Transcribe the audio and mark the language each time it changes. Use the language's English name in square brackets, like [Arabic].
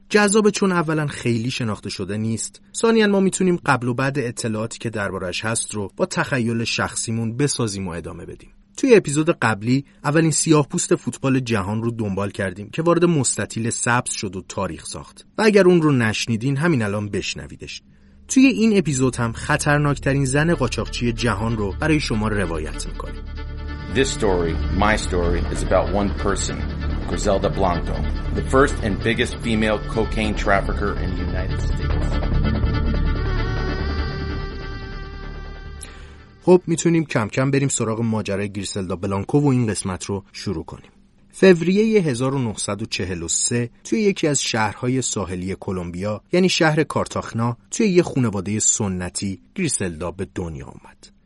[Persian] جذابه چون اولا خیلی شناخته شده نیست. ثانیا ما میتونیم قبل و بعد اطلاعاتی که دربارش هست رو با تخیل شخصیمون بسازیم و ادامه بدیم. توی اپیزود قبلی اولین سیاه پوست فوتبال جهان رو دنبال کردیم که وارد مستطیل سبز شد و تاریخ ساخت. و اگر اون رو نشنیدین همین الان بشنویدش. توی این اپیزود هم خطرناکترین زن قاچاقچی جهان رو برای شما روایت میکنیم. [English] This story, my story, is about one person, Griselda Blanco, the first and biggest female cocaine trafficker in the United States. [Persian] خب میتونیم کم کم بریم سراغ ماجرای گریسلدا بلانکو و این قسمت رو شروع کنیم. فوریه 1943 توی یکی از شهرهای ساحلی کولومبیا، یعنی شهر کارتاخنا، توی یه خانواده سنتی گریسلدا به دنیا آمد.